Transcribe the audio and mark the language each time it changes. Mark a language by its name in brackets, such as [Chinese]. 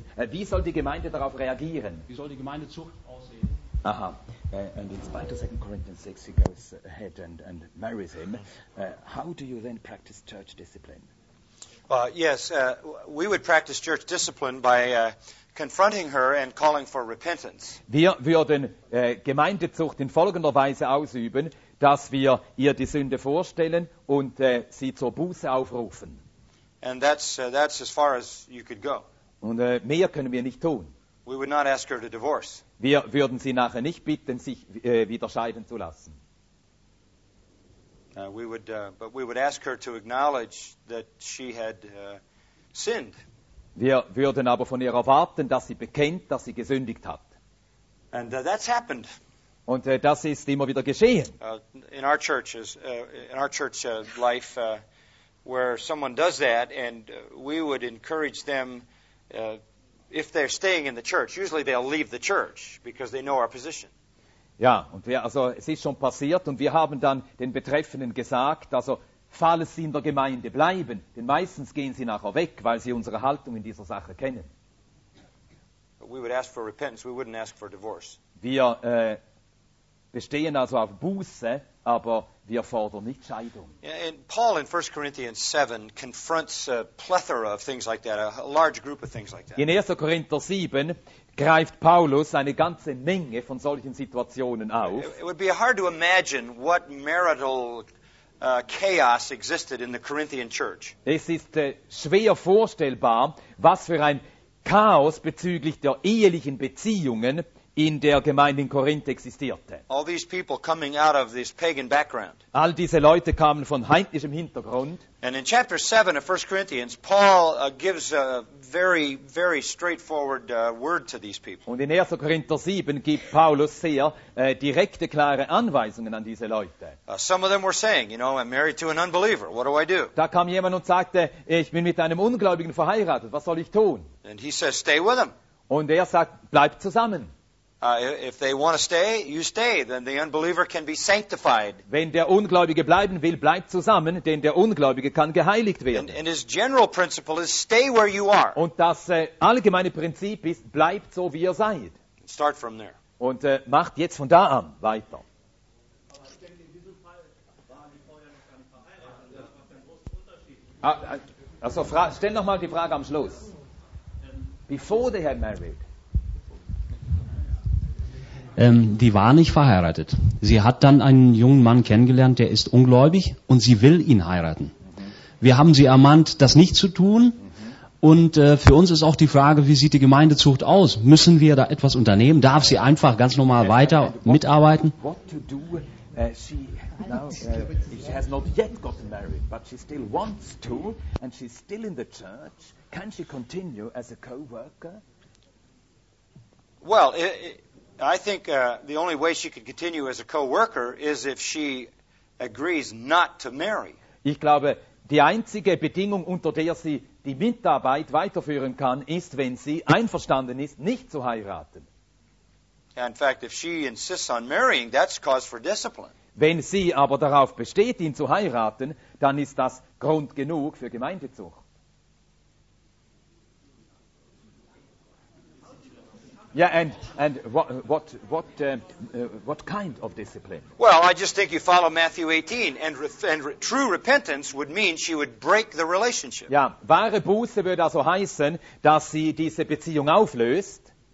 [German] Wie soll die Gemeinde darauf reagieren? Wie soll die Gemeindezucht aussehen? Aha. [English] And in spite of 2 Corinthians 6, he goes ahead and marries him. How do you then practice church discipline? Yes, we would practice church discipline by confronting her and calling for repentance. [German] Wir würden Gemeindezucht in folgender Weise ausüben, dass wir ihr die Sünde vorstellen und sie zur Buße aufrufen. [English] And that's as far as you could go. [German] Und mehr können wir nicht tun. [English] We would not ask her to divorce. [German] Wir würden sie nachher nicht bitten, sich wieder scheiden zu lassen. [English] We would ask her to acknowledge that she had sinned. [German] Wir würden aber von ihr erwarten, dass sie bekennt, dass sie gesündigt hat. [English] And that's happened. [German] Und das ist immer wieder geschehen. [English] In our churches, in our church life, where someone does that, and we would encourage them. If they're staying in the church, usually they'll leave the church because they know our position. [German] Ja, und wir, also es ist schon passiert, und wir haben dann den Betreffenden gesagt, also falls sie in der Gemeinde bleiben, denn meistens gehen sie nachher weg, weil sie unsere Haltung in dieser Sache kennen. [English] But we would ask for repentance. We wouldn't ask for divorce. [German] Wir bestehen also auf Buße, aber wir fordern nicht Scheidung. [English] And Paul in 1 Corinthians 7 confronts a plethora of things like that, a large group of things like that. [German] In 1. Korinther 7 greift Paulus eine ganze Menge von solchen Situationen auf. [English] It would be hard to imagine what marital chaos existed in the Corinthian church. [German] Es ist schwer vorstellbar, was für ein Chaos bezüglich der ehelichen Beziehungen in der Gemeinde in Korinth existierte. [English] All these people coming out of this pagan background. [German] All diese Leute kamen von heidnischem Hintergrund. [English] And in chapter 7 of 1 Corinthians, Paul gives a very, very straightforward word to these people. [German] Und in 1. Korinther 7 gibt Paulus sehr direkte, klare Anweisungen an diese Leute. [English] Some of them were saying, you know, I'm married to an unbeliever. What do I do? [German] Da kam jemand und sagte, ich bin mit einem Ungläubigen verheiratet. Was soll ich tun? [English] And he says, stay with him. [German] Und er sagt, bleib zusammen. [English] If they want to stay, you stay. Then the unbeliever can be sanctified. [German] Wenn der Ungläubige bleiben will, bleibt zusammen, denn der Ungläubige kann geheiligt werden. [English] And his general principle is stay where you are. [German] Und das allgemeine Prinzip ist, bleibt so wie ihr seid. [English] Start from there. [German] Und macht jetzt von da an weiter. Also stell noch mal die Frage am Schluss. [English] Before they had married. [German] Die war nicht verheiratet. Sie hat dann einen jungen Mann kennengelernt, der ist ungläubig und sie will ihn heiraten. Wir haben sie ermahnt, das nicht zu tun. Und für uns ist auch die Frage, wie sieht die Gemeindezucht aus? Müssen wir da etwas unternehmen? Darf sie einfach ganz normal weiter mitarbeiten? [English] What to do? She has not yet gotten married, but she still wants to and she's still in the church. Can she continue as a co-worker? Well, I think the only way she could continue as a co-worker is if she agrees not to marry. [German] Ich glaube, die einzige Bedingung, unter der sie die Mitarbeit weiterführen kann, ist, wenn sie einverstanden ist, nicht zu heiraten. [English] In fact, if she insists on marrying, that's cause for discipline. [German] Wenn sie aber darauf besteht, ihn zu heiraten, dann ist das Grund genug für Gemeindezucht. [English] Yeah, and what kind of discipline? Well, I just think you follow Matthew 18, true repentance would mean she would break the relationship. [German] Ja, wahre Buße würde also heißen, dass sie diese Beziehung auflöst.